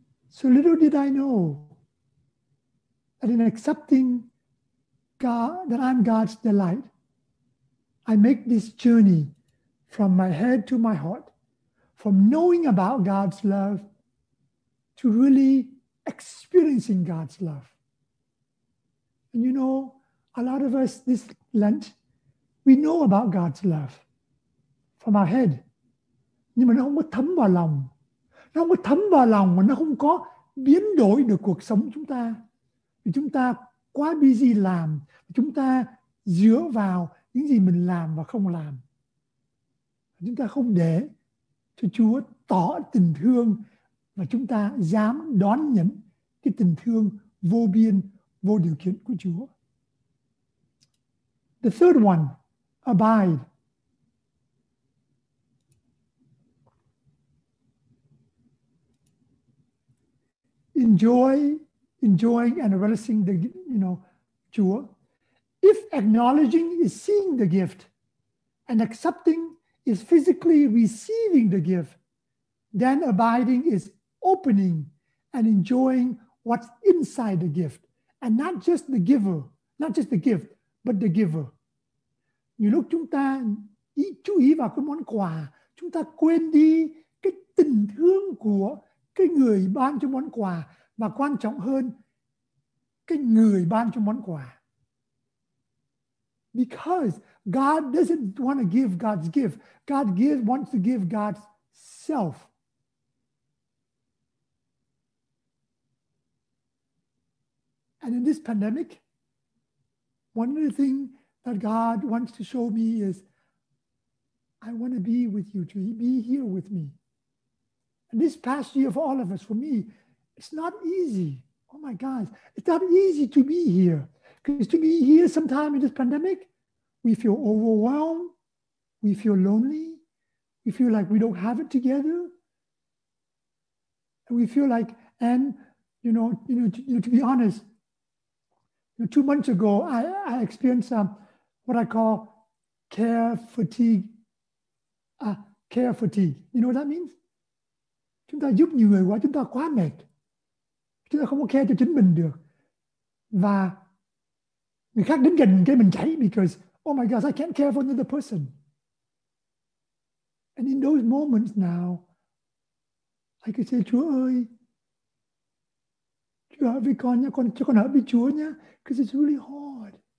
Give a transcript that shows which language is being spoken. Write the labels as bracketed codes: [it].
[en] So little did I know that in accepting God, that I'm God's delight, I make this journey from my head to my heart, from knowing about God's love to really experiencing God's love. And you know, a lot of us this Lent, we know about God's love from our head. [vi] Nhưng mà nó không có thấm vào lòng. Nó không có thấm vào lòng mà nó không có biến đổi được cuộc sống chúng ta. Vì chúng ta quá busy làm. Chúng ta dựa vào những gì mình làm và không làm. Chúng ta không để cho Chúa tỏ tình thương và chúng ta dám đón nhận cái tình thương vô biên, vô điều kiện của Chúa. [en] The third one, abide. Enjoying and relishing the, you know, Chúa. If acknowledging is seeing the gift and accepting is physically receiving the gift, then abiding is opening and enjoying what's inside the gift. And not just the giver, not just the gift, but the giver. [vi] Nhiều lúc chúng ta chú ý vào cái món quà, chúng ta quên đi cái tình thương của cái người ban cho món quà, và quan trọng hơn, cái người ban cho món quà. [en] Because God doesn't want to give God's gift. God wants to give God's self. And in this pandemic, one of the things that God wants to show me is, I want to be with you, to be here with me. And this past year for all of us, for me, it's not easy. Oh my gosh, it's not easy to be here. Because to be here sometime in this pandemic, we feel overwhelmed, we feel lonely, we feel like we don't have it together. And we feel like, and to be honest, 2 months ago, I experienced what I call care fatigue. You know what that means? [vi] Chúng ta giúp nhiều người quá, chúng ta quá mệt. Chúng ta không có care cho chính mình được. Và người khác đến gần cái mình cháy [en] because, oh my gosh, I can't care for another person. And in those moments now, I could say, [vi] Chúa ơi, Chúa ở với con nha, con ở với Chúa nha, [en] because it's really hard.